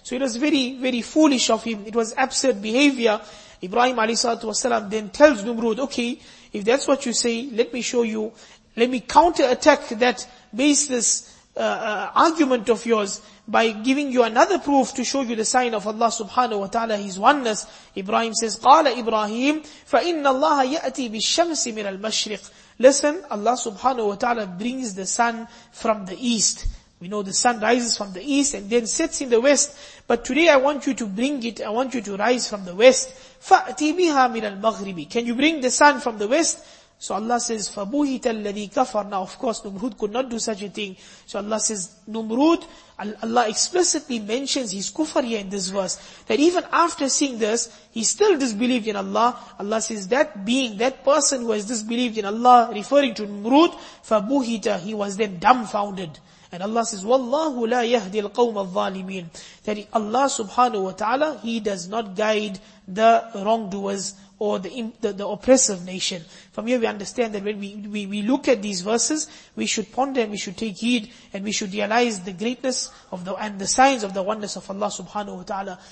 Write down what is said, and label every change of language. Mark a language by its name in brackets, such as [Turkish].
[English] So it was very, very foolish of him. It was absurd behavior. Ibrahim alayhi wasalam then tells Numrud, okay, if that's what you say, let me show you, let me counter-attack that baseless argument of yours by giving you another proof to show you the sign of Allah subhanahu wa ta'ala, his oneness. Ibrahim says, [Arabic] قَالَ إِبْرَاهِيمُ فَإِنَّ اللَّهَ يَأْتِي بِالشَّمْسِ مِنَ الْمَشْرِقِ. [English] Listen, Allah subhanahu wa ta'ala brings the sun from the east. We know the sun rises from the east and then sets in the west. But today I want you to bring it, I want you to rise from the west. [Arabic] فَأْتِي بِهَا مِنَ الْمَغْرِبِ. [English] Can you bring the sun from the west? So Allah says, [Arabic] فَبُوهِتَ الَّذِي كَفَرَ. [English] Now of course, Numrud could not do such a thing. So Allah says, Numrud, Allah explicitly mentions his kufr here in this verse. That even after seeing this, he still disbelieved in Allah. Allah says, that being, that person who has disbelieved in Allah, referring to Numrud, فَبُوهِتَ, he was then dumbfounded. And Allah says, [Arabic] وَاللَّهُ لَا يَهْدِي الْقَوْمَ الظَّالِمِينَ. [English] That Allah subhanahu wa ta'ala, he does not guide the wrongdoers or the oppressive nation. From here we understand that when we look at these verses, we should ponder and we should take heed and we should realize the greatness of the and the signs of the oneness of Allah subhanahu wa ta'ala.